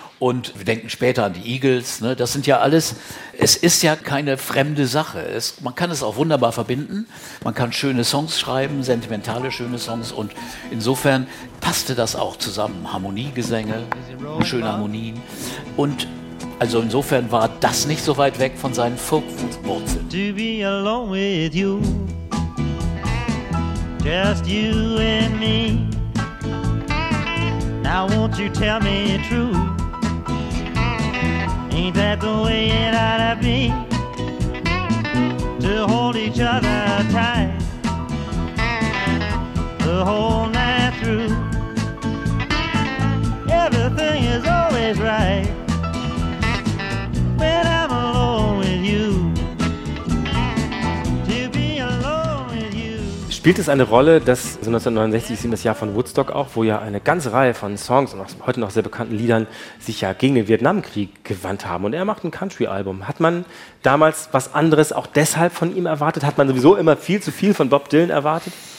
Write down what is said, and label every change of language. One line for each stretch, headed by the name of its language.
German: Und wir denken später an die Eagles, ne? Das sind ja alles, es ist ja keine fremde Sache. Man kann es auch wunderbar verbinden, man kann schöne Songs schreiben, sentimentale schöne Songs und insofern passte das auch zusammen. Harmoniegesänge, schöne Harmonien und also insofern war das nicht so weit weg von seinen Folk-Wurzeln.
English: To be alone with you, just you and me, now won't you tell me the truth. Ain't that the way it ought to be, to hold each other tight the whole night through. Everything is always right when I'm alone with you. To be alone with you.
German: Spielt es eine Rolle, dass 1969 ist eben das Jahr von Woodstock auch, wo ja eine ganze Reihe von Songs und auch heute noch sehr bekannten Liedern sich ja gegen den Vietnamkrieg gewandt haben und er macht ein Country-Album. Hat man damals was anderes auch deshalb von ihm erwartet? Hat man sowieso immer viel zu viel von Bob Dylan erwartet?